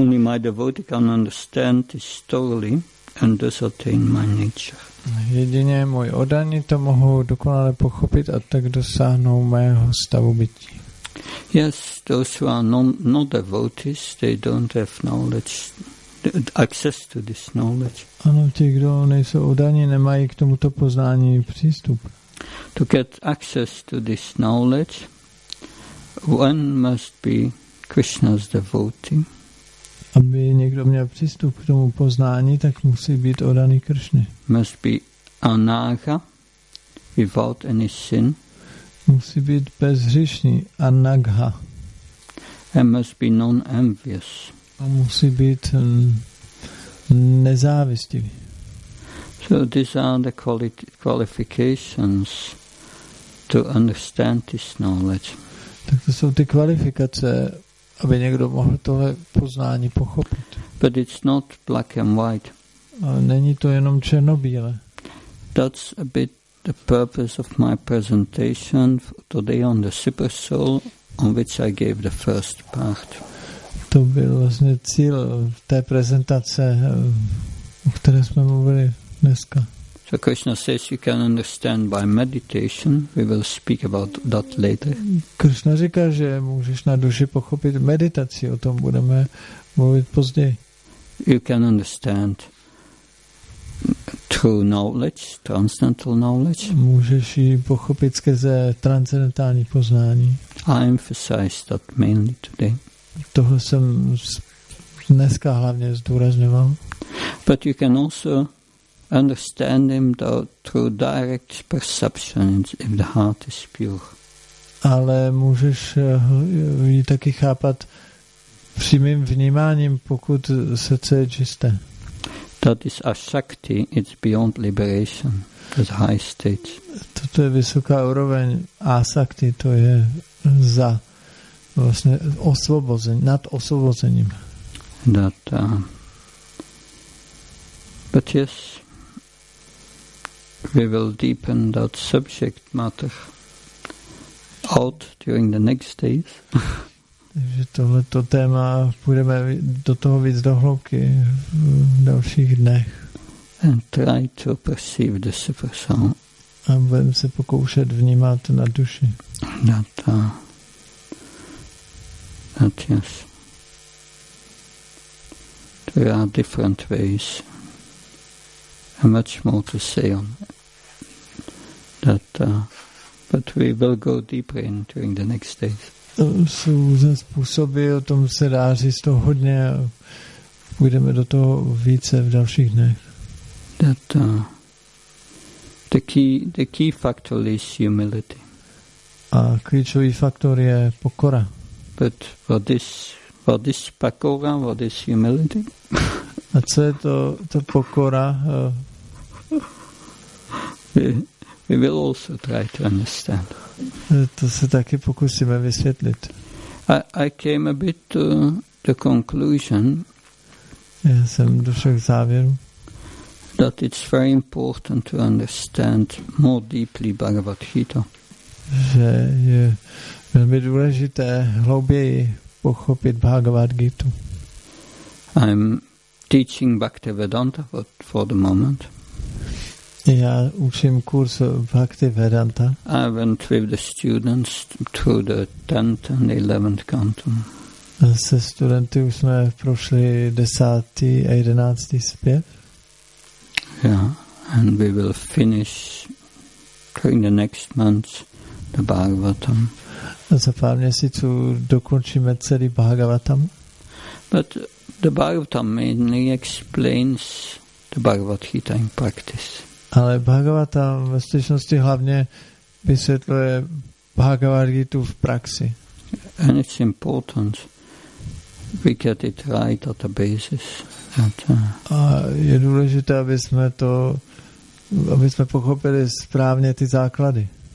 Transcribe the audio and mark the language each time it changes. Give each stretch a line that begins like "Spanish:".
English: Only my devotee can understand this totally and thus attain my nature.
Czech: Jedině můj oddaní to mohou dokonale pochopit a tak dosáhnou mého stavu bytí.
English: Yes, those who are not devotees, they don't have knowledge, access to this knowledge.
Czech: Ano, ti, kdo nejsou oddaní, nemají k tomuto poznání přístup.
English: To get access to this knowledge, one must be Krishna's devotee.
Czech: Aby někdo měl přístup k tomu poznání, tak musí být oddaný Kršny.
English: Must be anaga, without any sin.
Czech: Musí být bezhřišný, anagha.
English: And must be non-envious.
Czech: A musí být nezávistivý.
English: So these are the qualifications to understand this knowledge.
Czech: Tak to jsou ty kvalifikace, aby někdo mohl tohle poznání pochopit.
English: But it's not black and white.
Czech: Ale není to jenom černobílé.
English: That's a bit the purpose of my presentation today on the super soul, on which I gave the first part.
Czech: To byl vlastně cíl té prezentace, o které jsme mluvili dneska.
English: So Krishna says you can understand by meditation. We will speak about that later.
Czech: Krishna říká, že můžeš na duši pochopit meditací. O tom budeme mluvit později.
English: You can understand true knowledge, transcendental knowledge.
Czech: Můžeš ji pochopit skrze transcendentální poznání.
English: I emphasize that mainly today.
Czech: Toho jsem dneska hlavně zdůrazňoval.
English: But you can also understand him through direct perception if the heart is pure.
Czech: Ale můžeš ji taky chápat přímým vnímáním, pokud srdce je čisté.
English: That is a shakti, it's beyond liberation, that's high stage.
Czech: Toto je vysoká úroveň asakti, to je za vlastně osvobození, nad osvobozením.
English: That, but yes, we will deepen that subject matter out during the next days.
Czech: Takže tohleto téma půjdeme do toho víc do hloubky v dalších dnech.
English: And try to perceive the super soul.
Czech: A budeme se pokoušet vnímat na duši.
English: That yes. There are different ways. And much more to say on that. But we will go deeper in during the next days.
Czech: Jsou ze způsoby, o tom se dá říct to hodně a půjdeme do toho více v dalších dnech.
English: That, The key factor is humility.
Czech: A klíčový faktor je pokora.
English: But what is pokora? What is humility?
Czech: A co je to pokora?
English: We will also try to understand.
Czech: To se taky pokusíme vysvětlit.
English: I came a bit to the conclusion.
Czech: Já jsem došel k závěru.
English: That it's very important to understand more deeply Bhagavad Gita.
Czech: Že je velmi důležité hlouběji pochopit Bhagavad Gita.
English: I'm teaching Bhaktivedanta for the moment.
Czech: Já učím kurz Bhaktivedanta.
English: I went with the students to the 10th and 11th canto.
Czech: Se studenty už jsme prošli 10. a 11. zpěv.
English: Yeah, and we will finish during the next month the Bhagavatam.
Czech: Za pár měsíců dokončíme celý Bhagavatam.
English: But the Bhagavatam mainly explains the Bhagavad Gita in practice.
Czech: Ale Bhagavatam ve skutečnosti hlavně vysvětluje Bhagavad Gitu v praxi.
English: And it's important we get it right at the basis.
Czech: A je důležité, aby jsme pochopili správně ty základy.